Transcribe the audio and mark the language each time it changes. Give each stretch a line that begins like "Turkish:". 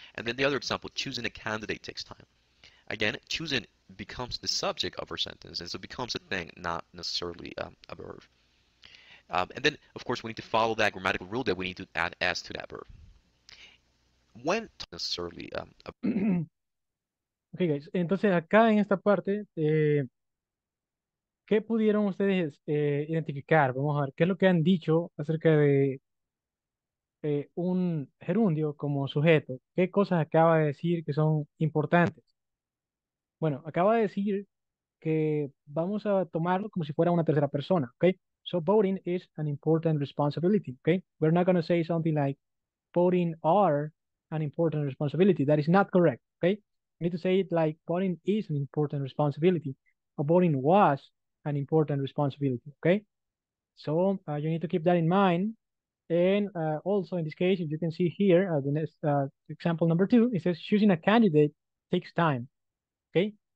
English: And then the other example, choosing a candidate takes time. Again, choosing becomes the subject of our sentence. And so it becomes a thing, not necessarily a verb. And then, of course, we need to follow that grammatical rule that we need to add S to that verb. When necessarily. Okay, guys.
Spanish: Entonces, acá en esta parte, ¿qué pudieron ustedes identificar? Vamos a ver, ¿qué es lo que han dicho acerca de un gerundio como sujeto? ¿Qué cosas acaba de decir que son importantes? Bueno, acaba de decir que vamos a tomarlo como si fuera una tercera persona, ¿ok?
English: So, voting is an important responsibility, ¿ok? We're not going to say something like voting are an important responsibility. That is not correct, okay? You need to say it like voting is an important responsibility or voting was an important responsibility, okay? So you need to keep that in mind. And also in this case, you can see here, the next example number two, it says choosing a candidate takes time, okay?